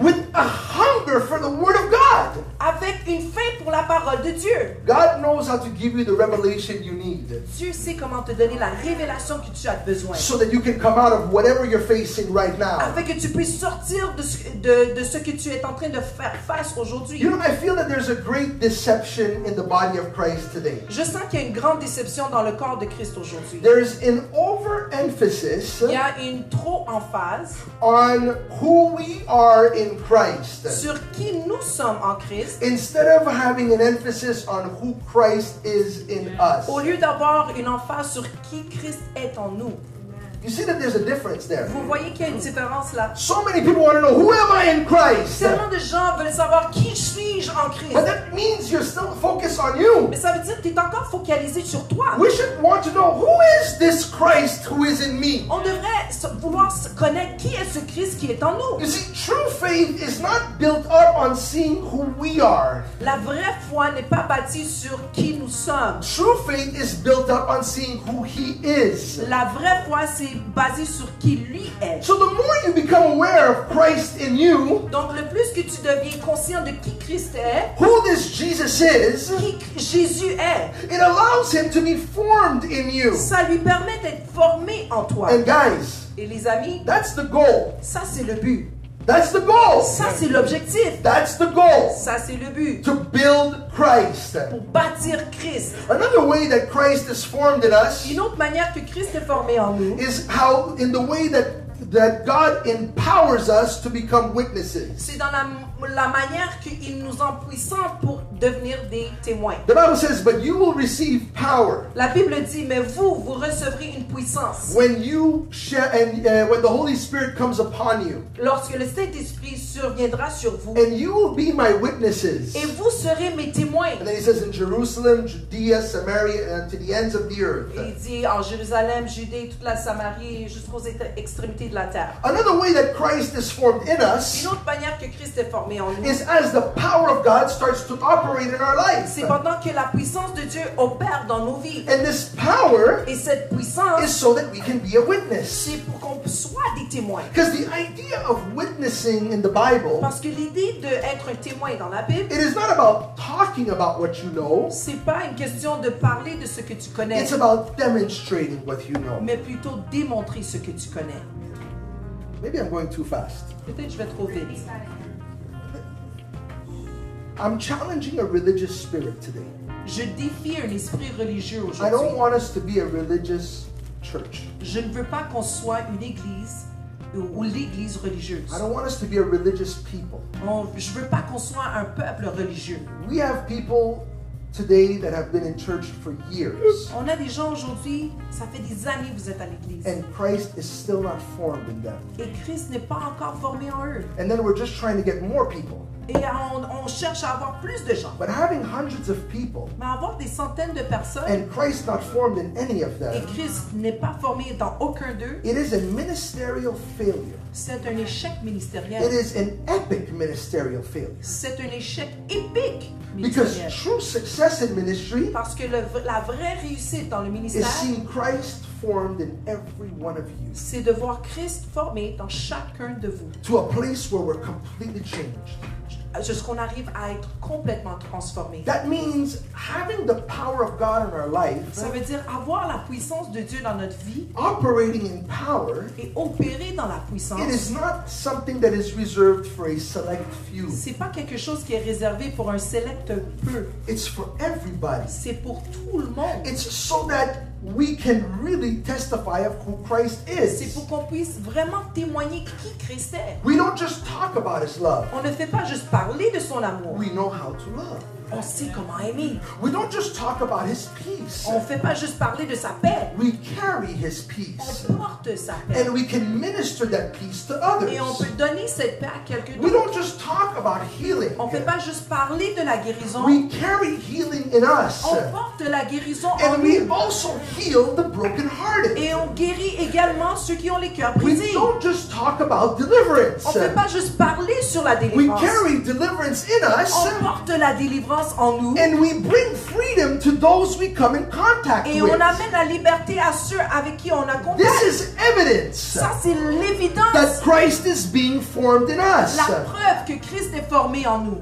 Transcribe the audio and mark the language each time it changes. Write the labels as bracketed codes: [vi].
[en] with a hunger for the word of God. [fr] Avec une faim pour la parole de Dieu. [en] God knows how to give you the revelation you need. [fr] Dieu sait comment te donner la révélation que tu as besoin. [en] So that you can come out of whatever you're facing right now. [fr] Afin que tu puisses sortir de ce que tu es en train de faire face aujourd'hui. [en] You know, I feel that there's a great deception in the body of Christ today. [fr] Je sens qu'il y a une grande déception dans le corps de Christ aujourd'hui. [en] There is an overemphasis. [fr] Il y a une trop emphase. [en] On who we are in Christ. [fr] Sur qui nous sommes en Christ. [en] Instead of having an emphasis on who Christ is in us. [fr] Au lieu d'avoir une emphase sur qui Christ est en nous. [en] You see that there's a difference there. [fr] Vous voyez qu'il y a une différence là. [en] So many people want to know who am I in Christ. [fr] Tellement de gens veulent savoir qui suis-je en Christ. [en] But that means you're still focused on you. [fr] Mais ça veut dire que tu es encore focalisé sur toi. [en] We should want to know who is this Christ who is in me. [fr] On devrait vouloir connaître qui est ce Christ qui est en nous. [en] You see, true faith is not built up on seeing who we are. [fr] La vraie foi n'est pas bâtie sur qui nous sommes. [en] True faith is built up on seeing who He is. [fr] La vraie foi c'est c'est basé sur qui lui est. [en] So the more you become aware of Christ in you, [fr] donc le plus que tu deviens conscient de qui Christ est, [en] who this Jesus is, [fr] qui Jésus est, [en] it allows him to be formed in you. [fr] Ça lui permet d'être formé en toi. [en] And guys, [fr] et les amis, [en] that's the goal. [fr] Ça c'est le but. [en] That's the goal. [fr] Ça c'est l'objectif. [en] That's the goal. [fr] Ça c'est le but. [en] To build Christ. [fr] Pour bâtir Christ. [en] Another way that Christ is formed in us. [fr] Une autre manière que Christ est formé en nous. [en] Is how in the way that God empowers us to become witnesses. [fr] C'est dans la manière qu'il nous empuissante pour devenir des témoins. [en] The Bible says, but you will receive power. [fr] La Bible dit, mais vous recevrez une puissance. [en] When you share, and when the Holy Spirit comes upon you. [fr] Lorsque le Saint-Esprit surviendra sur vous. [en] And you will be my witnesses. [fr] Et vous serez mes témoins. [en] And then he says, in Jerusalem, Judea, Samaria, and to the ends of the earth. [fr] Il dit, en Jérusalem, Judée, toute la Samarie, jusqu'aux extrémités de la terre. [en] Another way that Christ is formed in us. [fr] Une autre manière que Christ est formé en nous. [en] Is as the power of God starts to operate in our life. [fr] C'est pendant que la puissance de Dieu opère dans nos vies. [en] And this power, [fr] et cette puissance, [en] is so that we can be a witness. [fr] C'est pour qu'on soit des témoins. [en] Because the idea of witnessing in the Bible, [fr] parce que l'idée d'être un témoin dans la Bible, [en] it is not about talking about what you know. [fr] C'est pas une question de parler de ce que tu connais. [en] It's about demonstrating what you know. [fr] Mais plutôt démontrer ce que tu connais. [en] Maybe I'm going too fast. [fr] Peut-être je vais trop vite. [en] I'm challenging a religious spirit today. [fr] Je défie un esprit religieux aujourd'hui. [en] I don't want us to be a religious church. [fr] Je ne veux pas qu'on soit une église ou l'église religieuse. [en] I don't want us to be a religious people. [fr] Je ne veux pas qu'on soit un peuple religieux. [en] We have people today that have been in church for years. [fr] On a des gens aujourd'hui, ça fait des années que vous êtes à l'église. [en] And Christ is still not formed in them. [fr] Et Christ n'est pas encore formé en eux. [en] And then we're just trying to get more people. [fr] Et on cherche à avoir plus de gens. [en] But having hundreds of people, [fr] mais avoir des centaines de personnes, [en] and Christ not formed in any of them, [fr] et Christ n'est pas formé dans aucun d'eux, [en] it is a ministerial failure. [fr] C'est un échec ministériel. [en] It is an epic ministerial failure. [fr] C'est un échec épique. [en] Because true success in ministry, [fr] parce que la vraie réussite dans le ministère, [en] is seeing Christ formed in every one of you. [fr] C'est de voir Christ formé dans chacun de vous. [en] To a place where we're completely changed. [fr] Jusqu'on arrive à être complètement transformé. [en] That means having the power of God in our life. [fr] Ça veut dire avoir la puissance de Dieu dans notre vie. [en] Operating in power. [fr] Et opérer dans la puissance. [en] It is not something that is reserved for a select few. [fr] C'est pas quelque chose qui est réservé pour un select peu. [en] It's for everybody. [fr] C'est pour tout le monde. [en] It's so that we can really testify of who Christ is. [fr] C'est pour qu'on puisse vraiment témoigner qui Christ est. [en] We don't just talk about his love. [fr] On ne fait pas juste parler de son amour. [en] We know how to love. [fr] On sait comment aimer. [en] We don't just talk about his peace. [fr] On fait pas juste parler de sa paix. [en] We carry his peace. [fr] On porte sa paix. [en] And we can minister that peace to others. [fr] Et on peut donner cette paix à quelqu'un d'autre. [en] We don't just talk about healing. [fr] On fait pas juste parler de la guérison. [en] We carry healing in us. [fr] On porte la guérison en [en] And we also heal the brokenhearted. [fr] Et on guérit également ceux qui ont les cœurs brisés. [en] We don't just talk about deliverance. [fr] On fait pas juste parler sur la délivrance. [en] We carry deliverance in us. [fr] On porte la délivrance. En nous. [en] And we bring freedom to those we come in contact [fr] et [en] with. [fr] On amène la liberté à ceux avec qui on a contact. [en] This is evidence. [fr] Ça, c'est l'évidence. [en] That Christ is being formed in us. [fr] La preuve que Christ est formé en nous.